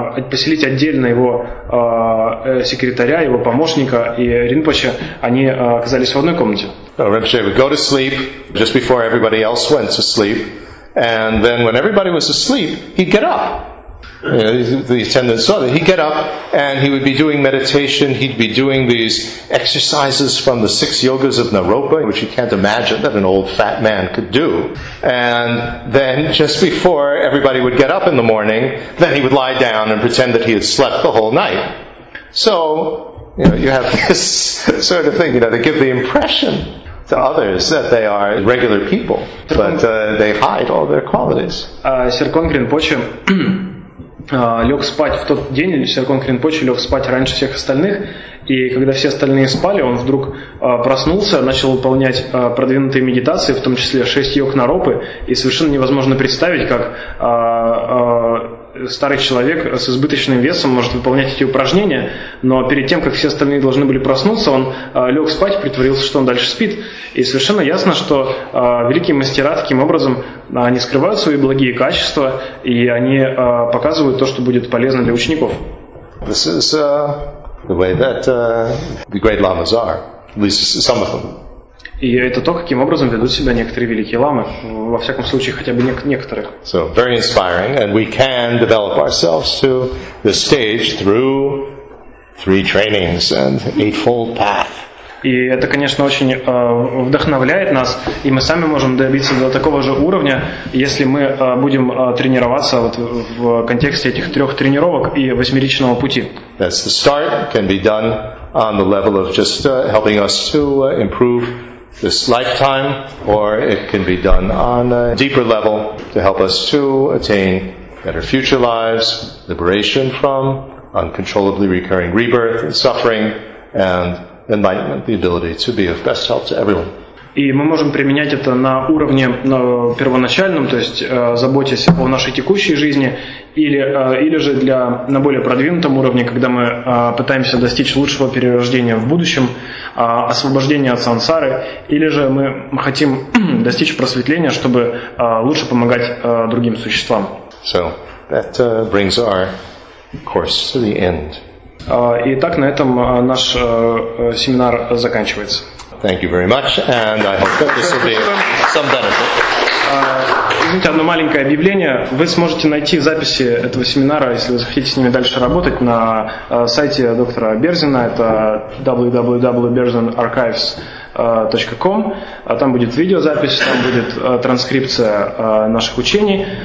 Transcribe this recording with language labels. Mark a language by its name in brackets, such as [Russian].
[Russian] поселить отдельно его секретаря, его помощника и Ринпоче, они оказались в одной комнате. [English] Ринпоче would go to sleep just before everybody else went to sleep, and then when everybody was asleep, he'd get up. The attendants saw that he'd get up and he would be doing meditation, he'd be doing these exercises from the six yogas of Naropa, which you can't imagine that an old fat man could do. And then just before everybody would get up in the morning, then he would lie down and pretend that he had slept the whole night. So, you know, you have this sort of thing, you know, they give the impression to others that they are regular people, but they hide all their qualities. [Russian] Лег спать в тот день, Серконг Ринпоче лег спать раньше всех остальных, и когда все остальные спали, он вдруг проснулся, начал выполнять продвинутые медитации, в том числе шесть йог Наропы, и совершенно невозможно представить, как старый человек с избыточным весом может выполнять эти упражнения, но перед тем, как все остальные должны были проснуться, он лег спать, притворился, что он дальше спит. И совершенно ясно, что великие мастера таким образом они скрывают свои благие качества и они показывают то, что будет полезно для учеников. [English] This is the way that the great lamas are, at least some of them. [Russian] И это то, каким образом ведут себя некоторые великие ламы, во всяком случае, хотя бы некоторые. [English] So, very inspiring, and we can develop ourselves to this stage through three trainings and eightfold path. [Russian] И это, конечно, очень вдохновляет нас, и мы сами можем добиться до такого же уровня, если мы будем тренироваться вот в контексте этих трех тренировок и восьмеричного пути. [English] That's the start, can be done on the level of just helping us to improve this lifetime, or it can be done on a deeper level to help us to attain better future lives, liberation from uncontrollably recurring rebirth and suffering, and enlightenment, the ability to be of best help to everyone. [Russian] И мы можем применять это на уровне первоначальном, то есть заботясь о нашей текущей жизни, или же для на более продвинутом уровне, когда мы пытаемся достичь лучшего перерождения в будущем, освобождения от сансары, или же мы хотим достичь просветления, чтобы лучше помогать другим существам. [English] So that brings our course to the end. [Russian] И так на этом наш семинар заканчивается. [English] Thank you very much, and I hope that this will be some benefit. [Russian] Извините, одно маленькое объявление. Вы сможете найти записи этого семинара, если вы захотите с ними дальше работать, на сайте доктора Берзина. Это www.berzinarchives.com. Там будет видеозапись, там будет транскрипция наших учений.